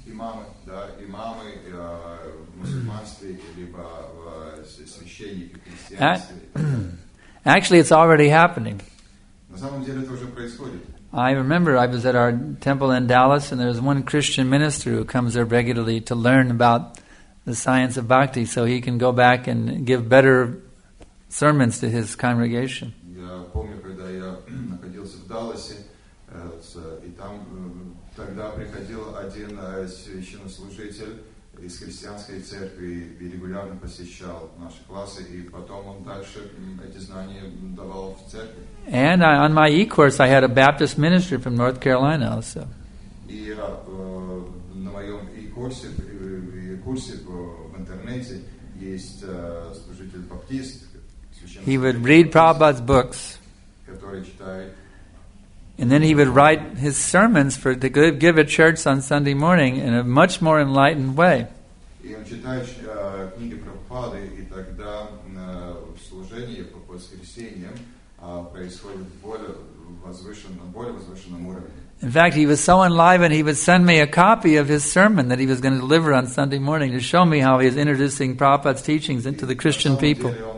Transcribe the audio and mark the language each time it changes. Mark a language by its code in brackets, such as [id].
[ru] Имамы, да, имамы в мусульманстве либо в священнике христианстве. [en] Actually, it's already happening. [ru] На самом деле это уже происходит. [en] I remember I was at our temple in Dallas and there was one Christian minister who comes there regularly to learn about the science of bhakti so he can go back and give better sermons to his congregation. [ru] Я помню, когда я находился в Далласе, и там тогда приходил один священнослужитель из христианской церкви и регулярно посещал наши классы, и потом он дальше эти знания давал в церкви. [en] And I, on my e-course, I had a Baptist minister from North Carolina also. [ru] И на моем e-курсе, курсе в интернете, есть служитель баптист. [en] He would read Prabhupada's books. [ru] Который читает. [en] And then he would write his sermons for to give at church on Sunday morning in a much more enlightened way. [ru] И он читает книги Прабхупады, и тогда в служении по воскресеньям происходит более возвышенном уровне. [en] In fact, he was so enlivened, he would send me a copy of his sermon that he was going to deliver on Sunday morning to show me how he is introducing Prabhupada's teachings into the Christian people.